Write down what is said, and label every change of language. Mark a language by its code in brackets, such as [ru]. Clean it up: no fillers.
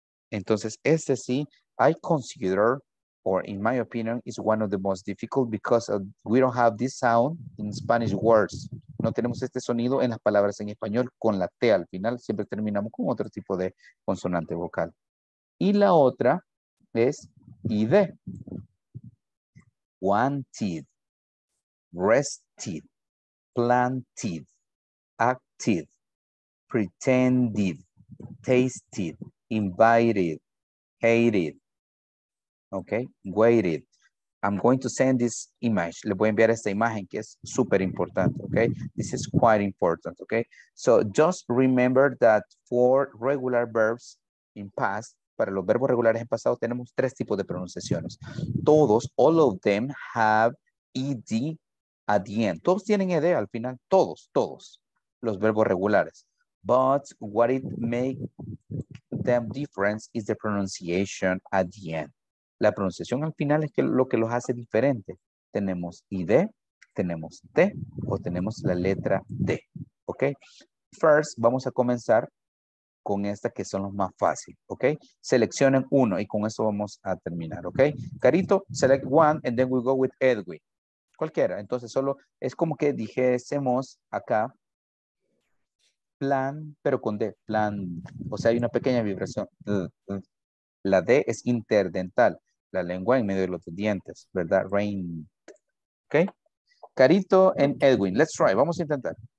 [es] Entonces, este sí, [en] I consider, or in my opinion, is one of the most difficult because we don't have this sound in Spanish words. [es] No tenemos este sonido en las palabras en español con la T al final. Siempre terminamos con otro tipo de consonante vocal. Y la otra es ID. [en] Wanted. Rested. Planted. Acted. Pretended. Tasted. Invited. Hated. Okay, waited. I'm going to send this image. [es] Le voy a enviar esta imagen que es súper importante. [en] Okay, this is quite important. Okay, so just remember that for regular verbs, in past, [es] para los verbos regulares en pasado, tenemos tres tipos de pronunciaciones. Todos, [en] all of them have ed at the end. [es] Todos tienen ed al final, todos, todos, los verbos regulares. [en] But what it make them different is the pronunciation at the end. [es] La pronunciación al final es que lo que los hace diferente. Tenemos ID, tenemos T o tenemos la letra D. ¿Ok? [en] First, [es] vamos a comenzar con esta que son los más fáciles. ¿Ok? Seleccionen uno y con eso vamos a terminar. ¿Ok? [en] Carito, select one and then we go with Edwin. [es] Cualquiera. Entonces, solo es como que dijésemos acá plan, pero con D. Plan. O sea, hay una pequeña vibración. La D es interdental. La lengua en medio de los dientes, ¿verdad? [en] Rain. ¿Ok? Carito and Edwin. Let's try. [es] Vamos a intentar.